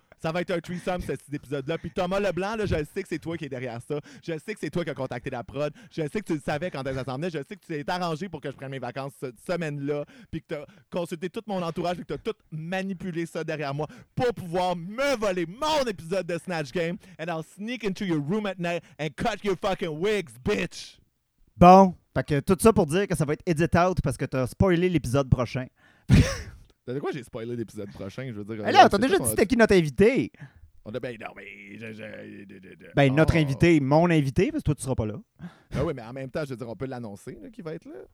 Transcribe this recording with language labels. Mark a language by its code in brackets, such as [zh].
[fr] Ça va être un threesome, cet épisode-là. Puis Thomas Leblanc, là, je sais que c'est toi qui es derrière ça. Je sais que c'est toi qui as contacté la prod. Je sais que tu le savais quand elle s'en venait. Je sais que tu t'es arrangé pour que je prenne mes vacances cette semaine-là. Puis que tu as consulté tout mon entourage. Puis que tu as tout manipulé ça derrière moi pour pouvoir me voler mon épisode de Snatch Game. [en] And I'll sneak into your room at night and cut your fucking wigs, bitch! [fr] Bon, fait que tout ça pour dire que ça va être edit out parce que tu as spoilé l'épisode prochain. De quoi j'ai spoilé l'épisode prochain, je veux dire. Alors, t'as déjà dit c'était qui notre invité? Notre invité, mon invité, parce que toi, tu seras pas là. Ben oui, mais en même temps, je veux dire, on peut l'annoncer, là, qui va être là.